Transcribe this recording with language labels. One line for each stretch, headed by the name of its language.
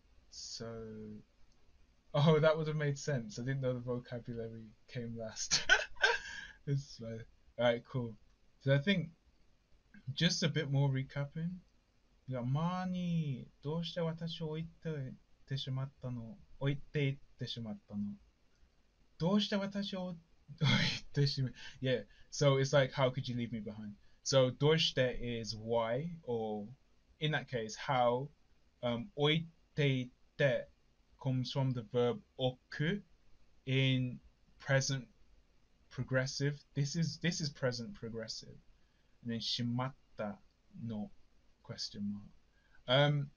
English: So, oh, that would have made sense. I didn't know the vocabulary came last. It's like, alright, cool. So I think just a bit more recapping.
Japanese: Yeah, Marnie, どうして私を置いてってしまったの?置いていってしまったの?どうして私を置いてしまったの?
English: Yeah. So it's like, how could you leave me behind? So どうして is why, or in that case, how. Oiteite comes from the verb oku in present progressive. This is present progressive. And then shimatta no question mark.